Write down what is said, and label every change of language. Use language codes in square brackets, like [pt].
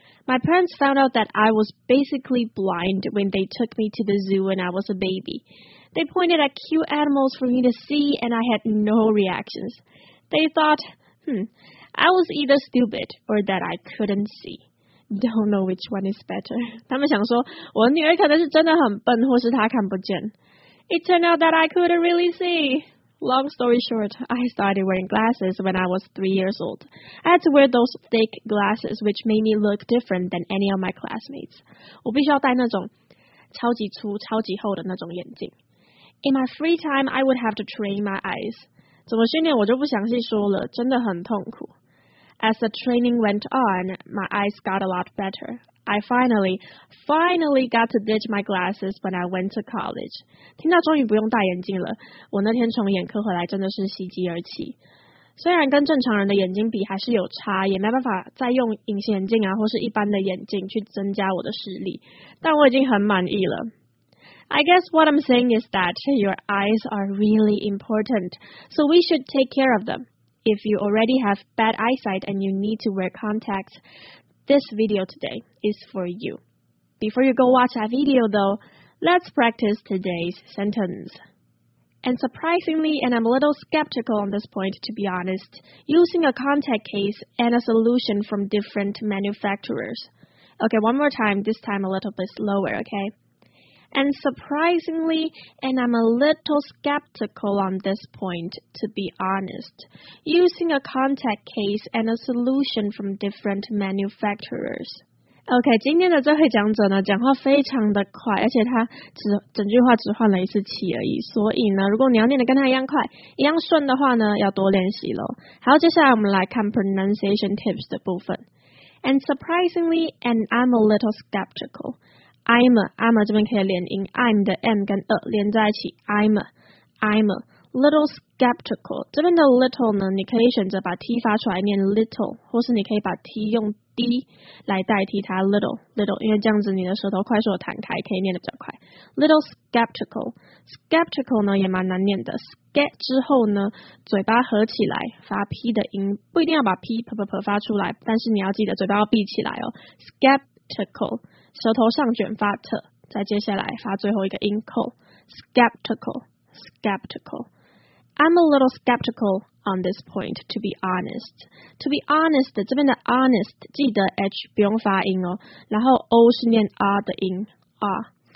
[en] My parents found out that I was basically blind when they took me to the zoo when I was a baby. They pointed at cute animals for me to see, and I had no reactions. They thought, I was either stupid or that I couldn't see. Don't know which one is better. [zh] 他们想说，我女儿可能是真的很笨，或是她看不见。 [en] It turned out that I couldn't really see. Long story short, I started wearing glasses when I was 3 years old. I had to wear those thick glasses, which made me look different than any of my classmates. [zh] 我必须要戴那种超级粗、超级厚的那种眼镜。 [en] In my free time, I would have to train my eyes. [zh] 怎么训练我就不详细说了，真的很痛苦。 [en] As the training went on, my eyes got a lot better. I finally got to ditch my glasses when I went to college. [zh] 听到终于不用戴眼镜了，我那天从眼科回来真的是喜极而泣。虽然跟正常人的眼睛比还是有差，也没办法再用隐形眼镜啊，或是一般的眼镜去增加我的视力，但我已经很满意了。 [en] I guess what I'm saying is that your eyes are really important, so we should take care of them. If you already have bad eyesight and you need to wear contacts,This video today is for you. Before you go watch that video though, let's practice today's sentence. And surprisingly, and I'm a little skeptical on this point to be honest, using a contact case and a solution from different manufacturers. Okay, one more time, this time a little bit slower, okay? And surprisingly, and I'm a little skeptical on this point, to be honest, using a contact case and a solution from different manufacturers. [zh] OK, 今天的这位讲者呢讲话非常的快，而且他整句话只换了一次气而已，所以呢如果你要念得跟他一样快一样顺的话呢要多练习咯。好，接下来我们来看 pronunciation tips 的部分。 [en] And surprisingly, and I'm a little skeptical. [zh] I'm a 这边可以连音 I'm 的 M 跟 A 连在一起 I'm a [en] little skeptical [zh] 这边的 little 呢你可以选择把 T 发出来念 little 或是你可以把 T 用 D 来代替它 little 因为这样子你的舌头快速弹开可以念得比较快 [en] little skeptical skeptical [zh] 呢也蛮难念的 sket 之后呢嘴巴合起来发 P 的音不一定要把 P 噗噗噗发出来但是你要记得嘴巴要闭起来哦 skeptical舌头上卷发 t， 再接下来发最后一个音 c， skeptical， skeptical。 [en] I'm a little skeptical on this point, to be honest. To be honest， [zh] 这边的 honest 记得 h 不用发音哦，然后 o 是念 r 的音 r。